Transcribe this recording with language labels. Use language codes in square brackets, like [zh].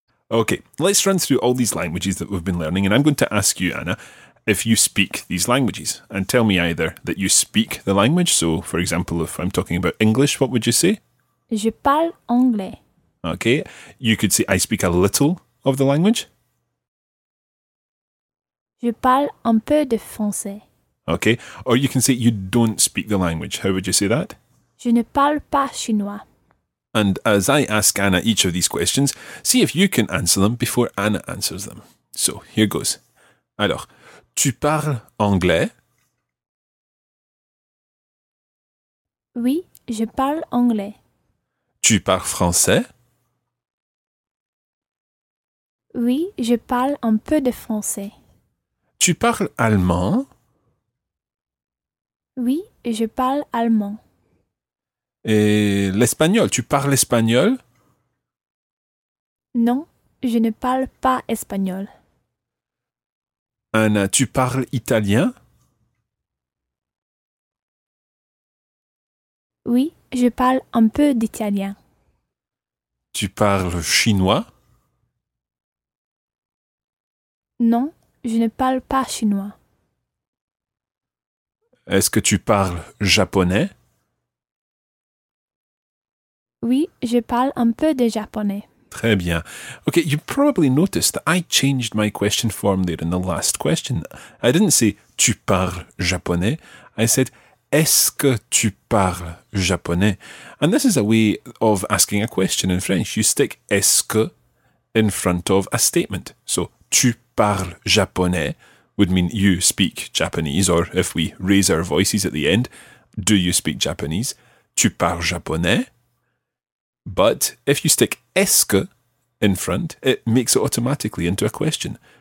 [en] Okay, let's run through all these languages that we've been learning, and I'm going to ask you, Anna, if you speak these languages, and tell me either that you speak the language. So, for example, if I'm talking about English, what would you say? [fr] Je parle anglais. [en] Okay, you could say I speak a little of the language. [fr] Je parle un peu de français. [en] Okay, or you can say you don't speak the language. How would you say that? [fr] Je ne parle pas chinois. [en] And as I ask Anna each of these questions, see if you can answer them before Anna answers them. So, here goes. [fr] Alors, tu parles anglais? Oui, je parle anglais. Tu parles français? Oui, je parle un peu de français. Tu parles allemand? Oui, je parle allemand. Et l'espagnol, tu parles espagnol? Non, je ne parle pas espagnol. Anna, tu parles italien? Oui, je parle un peu d'italien. Tu parles chinois? Non, je ne parle pas chinois. Est-ce que tu parles japonais? Oui, je parle un peu de japonais. Très bien. [en] OK, you probably noticed that I changed my question form there in the last question. I didn't say « [fr] tu parles japonais [en] ». I said « [fr] est-ce que tu parles japonais ?» [en] And this is a way of asking a question in French. You stick « [fr] est-ce que [en] » in front of a statement. So « [fr] tu parles japonais [en] » would mean you speak Japanese, or if we raise our voices at the end, do you speak Japanese? « [fr] Tu parles japonais ?» [en] But if you stick [fr] est-ce que [en] in front, it makes it automatically into a question.